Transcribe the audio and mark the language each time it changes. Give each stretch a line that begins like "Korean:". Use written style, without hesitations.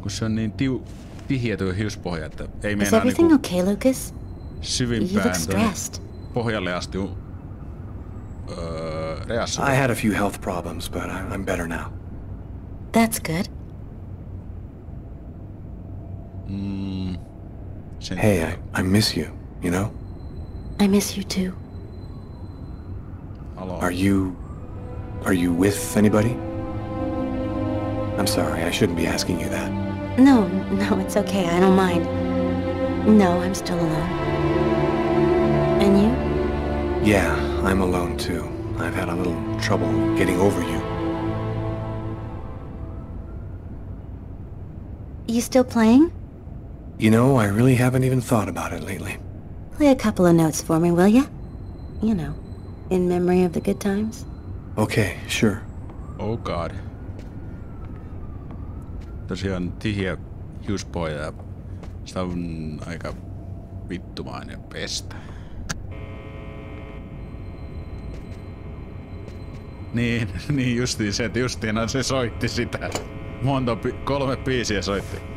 Finnish: Kun se on niin tihiä tuo hiuspohja, että ei meinaa niinku...
English: Is everything okay, Lucas?
Finnish: Syvimpään pohjalle asti reassata.
English: I had a few health problems, but I'm better now. That's good. Hey, I miss you, you know? I miss you too. Hello. Are you with anybody? I'm sorry, I shouldn't be asking you that. No, it's okay, I don't mind. No, I'm still alone. And you? Yeah, I'm alone too. I've had a little trouble getting over you. You still playing? You know, I really haven't even thought about it lately. Play a couple of notes for me, will ya? You know, in memory of the good times. Okay, sure. Oh god.
Finnish: Tosiaan tihiä hiuspohja ja sitä on aika vittumainen pestä. Niin justiin se soitti sitä. Kolme biisiä soitti.